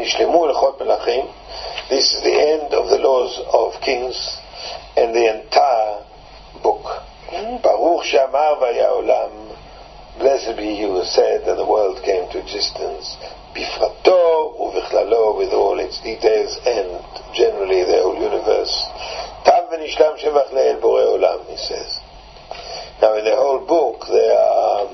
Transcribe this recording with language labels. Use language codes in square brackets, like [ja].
[he] ישלמו הלכות מלאכים. [en] This is the end of the laws of kings and the entire book. [he] ברוך שאמר והיה עולם, [en] blessed be he who said that the world came to existence, [he] בפרטו ובכללו, [en] with all its details and generally the whole universe. [he] תם ונשלם שבח לאל בורא עולם, [en] he says. Now in the whole book there are